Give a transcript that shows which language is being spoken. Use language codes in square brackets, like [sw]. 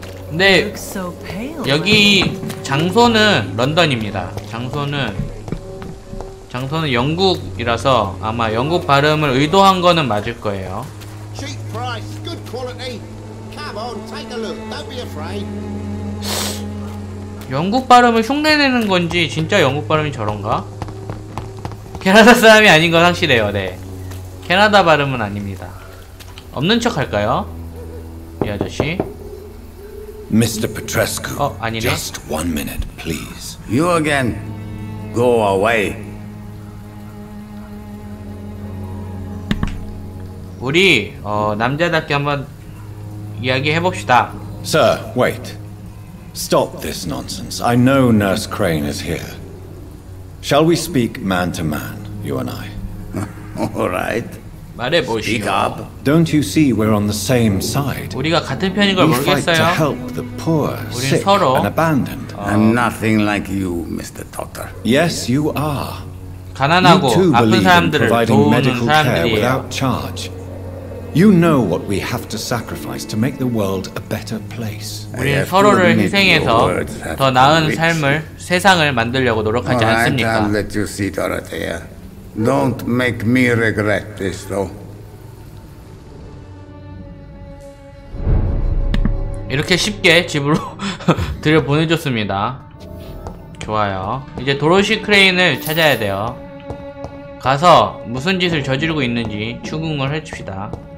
[ko] 근데 여기 장소는 런던입니다. 장소는 영국이라서 아마 영국 발음을 의도한 거는 맞을 거예요. [en] Cheap price, good quality. Come on, take a look. Don't be afraid. [ko] 영국 발음을 흉내내는 건지 진짜 영국 발음이 저런가? 캐나다 사람이 아닌 건 확실해요. 네, 캐나다 발음은 아닙니다. 없는 척 할까요? 이 아저씨. [en] Mr. Petrescu. [ko] 어, 아니네. [en] Just one minute, please. You again. Go away. [ko] 우리 남자답게 한번 이야기해 봅시다. [en] Sir, wait. Stop this nonsense. I know Nurse Crane is here. Shall we speak man to man, you and I? All right. [ko] 말해 보시오. [en] Don't you see we're on the same side? [ko] 우리가 같은 편인 걸 모르겠어요? [en] We fight to help the poor, sick, and abandoned. I'm nothing like you, Mr. Doctor. Yes, you are. [ko] 가난하고 아픈 사람들을 도우는 사람들이에요. [en] Without charge. You know what we have to sacrifice to make the world a better place. [ko] 우리는 서로를 희생해서 더 나은 삶을 세상을 만들려고 노력하지 않습니까? [en] I'll let you see, Dorothea. Don't make me regret this, though. [ko] 이렇게 쉽게 집으로 들여 보내줬습니다. 좋아요. 이제 도로시 크레인을 찾아야 돼요. 가서 무슨 짓을 저지르고 있는지 추궁을 해줍시다.